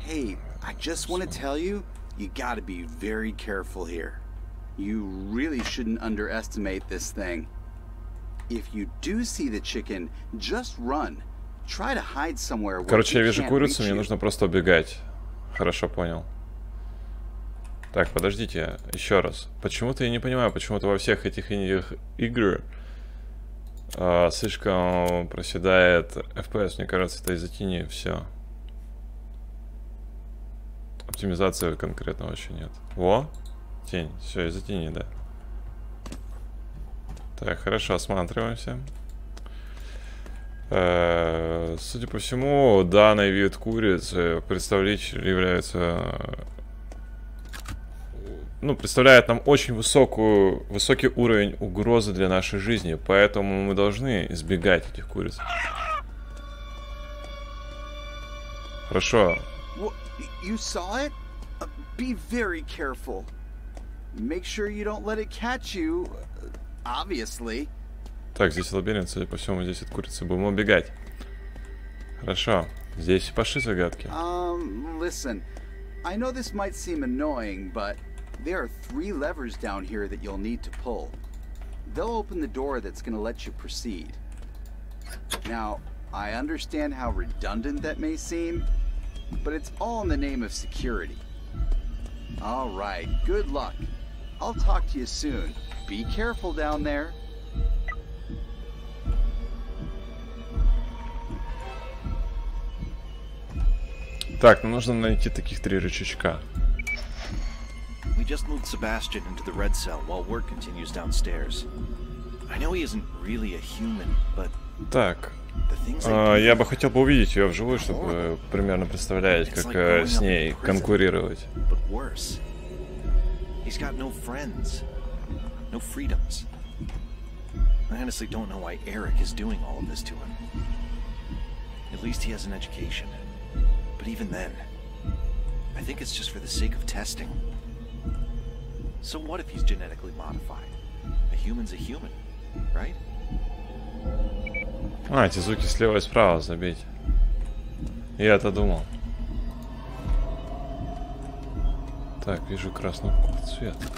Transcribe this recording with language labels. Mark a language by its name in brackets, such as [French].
[English] Hey, I just want to tell you, you gotta be very careful here. You really shouldn't underestimate this thing. If you do see the chicken, just run. Try to hide somewhere where [Russian] Короче, я вижу курицу, мне нужно просто убегать. Хорошо, понял. Так, подождите, еще раз. Почему-то я не понимаю, почему-то во всех этих играх слишком проседает FPS. Мне кажется, это из-за тени, все. Оптимизации конкретно вообще нет. Во! Тень. Все, из-за тени, да. Так, хорошо, осматриваемся. Судя по всему, данный вид курицы представитель является... Ну, представляет нам очень высокий уровень угрозы для нашей жизни. Поэтому мы должны избегать этих куриц. Хорошо. [English] You saw it? Be very careful. Make sure you don't let it catch you, obviously. [Russian] Так, здесь лабиринт, судя по всему, здесь от курицы будем убегать. Хорошо, здесь пошли загадки. [English] Listen, I know this might seem annoying, but there are three levers down here that you'll need to pull. They'll open the door that's gonna let you proceed. Now, I understand how redundant that may seem, but it's all in the name of security. All right, good luck. I'll talk to you soon. Be careful down there. [Russian] Так, нам нужно найти таких три рычажка. [English] We just moved Sebastian into the red cell while work continues downstairs. I know he isn't really a human, but [Russian] так. Я бы хотел бы увидеть ее вживую, чтобы примерно представлять, как с ней конкурировать. [English] He's got no friends, no freedoms. I honestly don't know why Eric is doing all of this to him. At least he has an education. But even then, I think it's just for the sake of testing. So what if he's genetically modified? A human's a human, right? [Russian] А, эти звуки слева и справа забить. Я-то думал. Так, вижу красный цвет.